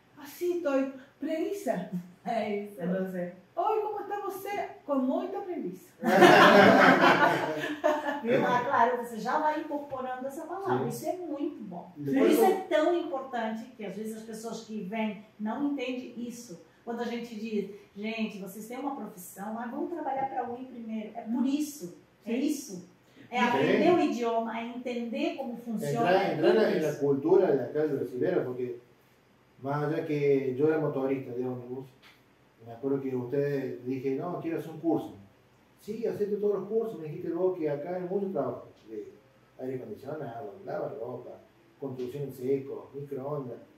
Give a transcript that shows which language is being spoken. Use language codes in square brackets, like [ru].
[es] Así estoy, preisa. Entonces, hoy cómo está usted, con mucha preisa. [pt] Claro, você já vai incorporando essa palavra. Sim. Isso é muito bom. Depois isso é tão importante que às vezes as pessoas que vêm não entendem isso. Quando a gente diz, gente, vocês têm uma profissão, mas vão trabalhar para o I primeiro. É por isso. Sim. É isso. É aprender o idioma, é entender como funciona. Entrar na cultura da casa brasileira, porque [es] más allá que yo era motorista de ómnibus, me acuerdo que ustedes dije, no, quiero hacer un curso. Sí, hacete todos los cursos, me dijiste luego que acá hay mucho trabajo. De aire acondicionado, lava ropa, construcción en seco, microondas.